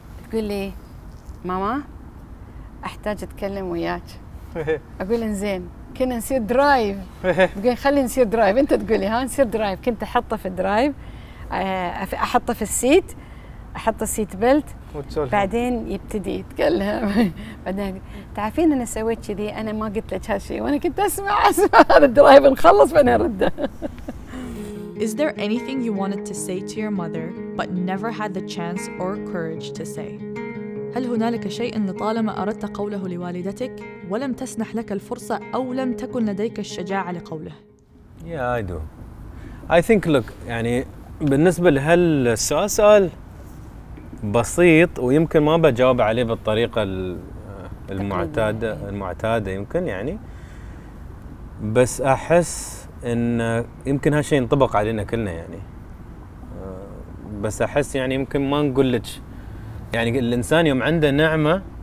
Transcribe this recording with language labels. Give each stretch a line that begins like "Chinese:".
Arabic: تقول لي ماما أحتاج أتكلم وياك أقول إنزين كنا نسير درايف تقول خلي نسير درايف أنت تقولي ها نسير درايف كنت أحطه في درايف أحطه في السيت أحط السيت بيلت بعدين يبتدي يتكلم بعدين تعرفين أنا سويت كذي أنا ما قلت لك هالشيء وأنا كنت أسمع هذا الدرايف نخلص بعدين أرده
English: Is there anything you wanted to say to your mother but never had the chance or courage to say?
Arabic: هل هنالك شيء لطالما أردت قوله لوالدتك ولم تسنح لك الفرصة أو لم تكن لديك الشجاعة لقوله؟
English: Yeah, I do. I think, look,
Arabic: يعني بالنسبة لهالسؤال بسيط ويمكن ما بجاوب عليه بالطريقة المعتادة يمكن يعني بس أحس إن يمكن هالشيء ينطبق علينا كلنا يعني بس أحس يعني يمكن ما نقول لك يعني الإنسان يوم عنده نعمة